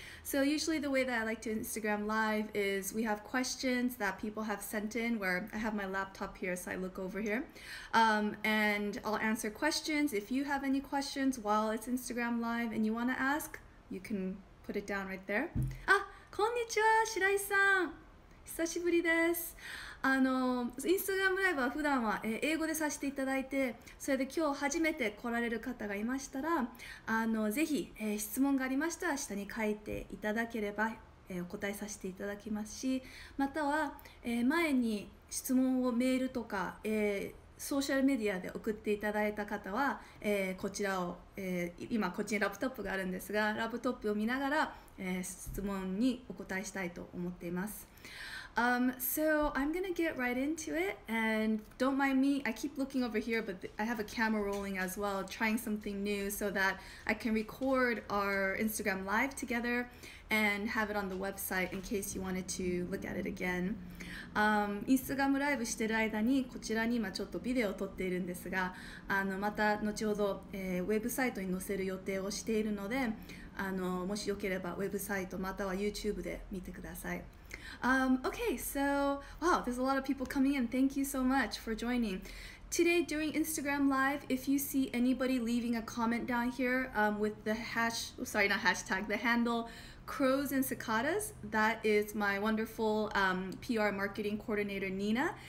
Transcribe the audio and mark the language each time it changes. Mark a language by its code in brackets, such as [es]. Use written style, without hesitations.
[en] So usually the way that I like to Instagram live is we have questions that people have sent in where I have my laptop here, so I look over here. And I'll answer questions. If you have any questions while it's Instagram live and you want to ask, you can put it down right there. [ja] Ah, konnichiwa, Shirai san. Hisashiburi desu. Instagram live は普段は英語でさせていただいて、それで今日初めて来られる方がいましたら、ぜひ、質問がありましたら下に書いていただければ、お答えさせていただきますし、または、前に質問をメールとか、ソーシャルメディアで送っていただいた方は、こちらを、今こっちにラップトップがあるんですが、ラップトップを見ながら、質問にお答えしたいと思っています。 [en] So I'm gonna get right into it, and don't mind me, I keep looking over here, but I have a camera rolling as well, trying something new so that I can record our Instagram live together and have it on the website in case you wanted to look at it again. [ja] Instagram ライブしてる間にこちらに今ちょっとビデオを撮っているんですが、また後ほど、ウェブサイトに載せる予定をしているので、もしよければウェブサイトまたは YouTube で見てください。 [en] Okay, so wow, there's a lot of people coming in. Thank you so much for joining. Today during Instagram Live, if you see anybody leaving a comment down here with the hash, sorry, not hashtag, the handle Crows and Cicadas, that is my wonderful PR marketing coordinator, Nina.